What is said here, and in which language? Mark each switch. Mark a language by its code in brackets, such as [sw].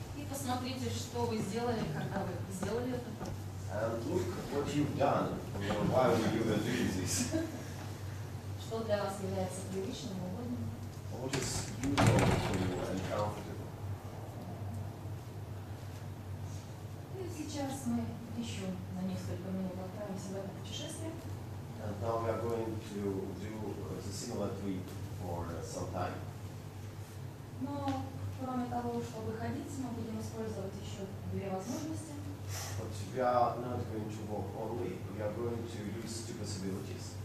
[ru] Посмотрите, что вы сделали, когда вы сделали это. [en] And look what you've done, you know, why would you even do this? [ru] Что для вас является привычным, угодным? [en] What is usual for you and comfortable? [ru] И сейчас мы еще на несколько минут отправимся в путешествие. [en] And now we are going to do a similar trip for some time. [ru] Но кроме того, чтобы ходить, мы будем использовать еще две возможности. [en] But we are not going to walk only, we are going to use two possibilities.